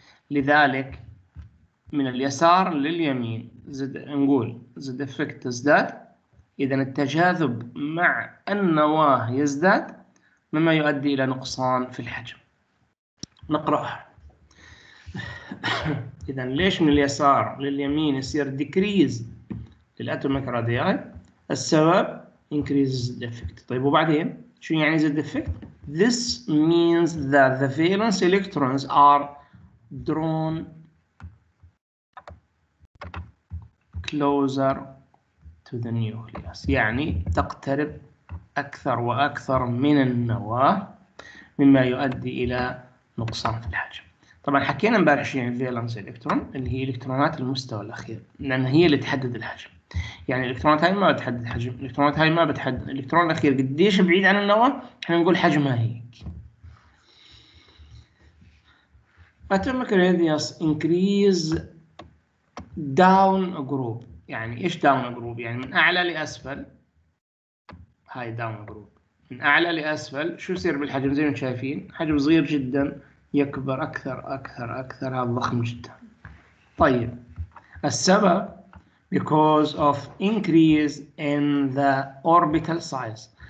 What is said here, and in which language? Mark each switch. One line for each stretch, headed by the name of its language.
Arabic: لذلك من اليسار لليمين نقول زد افكت تزداد، إذن التجاذب مع النواة يزداد مما يؤدي إلى نقصان في الحجم. نقرأها. إذن ليش من اليسار لليمين يصير
English: Decrease للأتوميك radii?
Arabic: السبب
English: Increase the effect.
Arabic: طيب وبعدين شو يعني زد افكت؟
English: This means that the valence electrons are drawn closer to the nucleus.
Arabic: يعني تقترب أكثر وأكثر من النواة مما يؤدي إلى نقصان في الحجم. طبعا حكينا امبارح شيء عن valence electron اللي هي الإلكترونات المستوى الأخير، لأن هي اللي تحدد الحجم. يعني الالكترونات هاي ما بتحدد حجم، الالكترونات هاي ما بتحدد الالكترون الاخير قديش بعيد عن النواة، احنا نقول حجمها هيك.
English: Atomic radius increase down a group.
Arabic: يعني ايش
English: down a group؟
Arabic: يعني من اعلى لاسفل، هاي down a group، من اعلى لاسفل شو يصير بالحجم؟ زي ما شايفين حجم صغير جدا يكبر اكثر اكثر اكثر، هذا ضخم جدا. طيب السبب
English: because of increase in the orbital size.